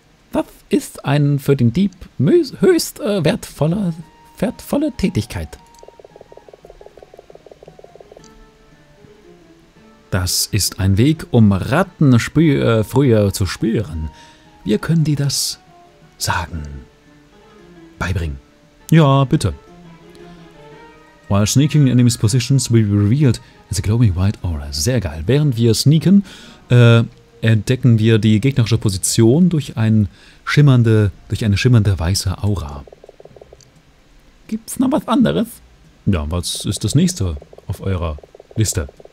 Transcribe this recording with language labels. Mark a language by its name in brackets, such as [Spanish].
[German] Das ist ein für den Dieb höchst wertvolle Tätigkeit. Das ist ein Weg, um Ratten früher zu spüren. Wir können dir das sagen. Beibringen. Ja, bitte. [English] While sneaking in enemies' positions, we revealed as a glowing white aura. [German] Sehr geil. Während wir sneaken, entdecken wir die gegnerische Position durch eine schimmernde weiße Aura. Gibt's noch was anderes? Ja, was ist das nächste auf eurer Liste?